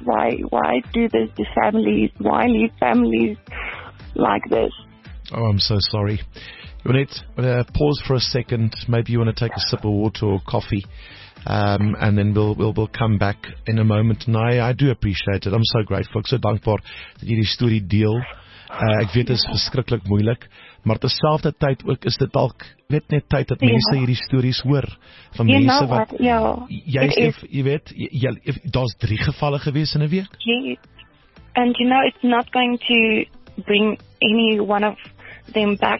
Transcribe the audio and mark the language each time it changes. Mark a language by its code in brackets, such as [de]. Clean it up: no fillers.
[en] Why do this to families? Why leave families like this? Oh, I'm so sorry. Johanet, pause for a second. Maybe you want to take a sip of water or coffee. And then we'll come back in a moment. And I do appreciate it. I'm so grateful. [af] Ek so dankbaar dat jy die story deel. Ek weet dit is verskriklik moeilik, maar terselfdertyd ook is dit dalk net tyd dat mense hierdie stories hoor van mense wat daar's drie gevalle gewees in 'n week. [en] And you know, it's not going to bring any one of them back.